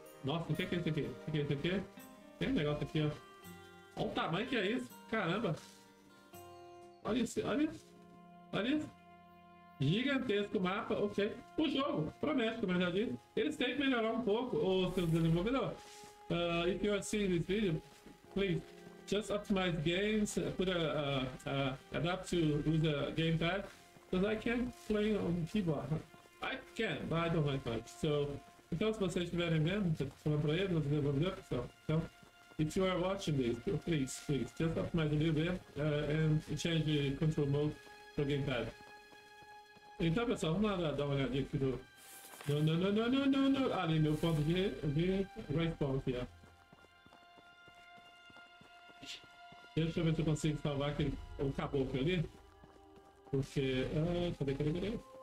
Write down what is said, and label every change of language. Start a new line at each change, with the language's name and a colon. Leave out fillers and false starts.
Portuguese: Nossa, o que é esse aqui? O que é esse aqui? Tem um negócio aqui ó. Olha o tamanho que é isso. Caramba! Olha isso, olha isso! Olha isso! Gigantesco mapa, ok. O jogo, promete, como eu já disse. Eles têm que melhorar um pouco o seu desenvolvedor.
English: If you are seeing this video, please just optimize games, put adapt to use a gamepad. Because I can't play on keyboard. I can, but I don't like much.
Portuguese: So, então se vocês estiverem vendo, falando para eles, o desenvolvedor, pessoal. Então.
English: If you are watching this, please, please, just optimize a little bit and change the control mode to gamepad.
Portuguese: Então, pessoal, vamos lá dar uma olhadinha aqui do. Não. Ali, meu ponto de respawn aqui, ó. Deixa eu ver se eu consigo salvar aquele. O caboclo ali. Porque. Cadê?